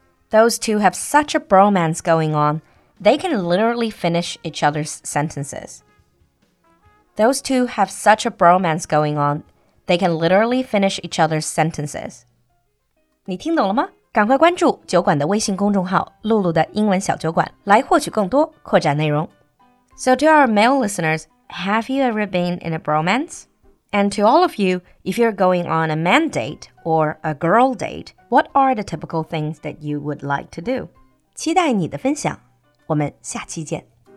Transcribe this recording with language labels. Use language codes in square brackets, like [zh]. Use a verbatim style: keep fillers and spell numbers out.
[en] Those two have such a bromance going on, they can literally finish each other's sentences. Those two have such a bromance going on, they can literally finish each other's sentences. [zh] 你听懂了吗？赶快关注酒馆的微信公众号“露露的英文小酒馆”，来获取更多扩展内容。 [en] So to our male listeners, have you ever been in a bromance? And to all of you, if you're going on a man date or a girl date, what are the typical things that you would like to do? [zh] 期待你的分享，我们下期见。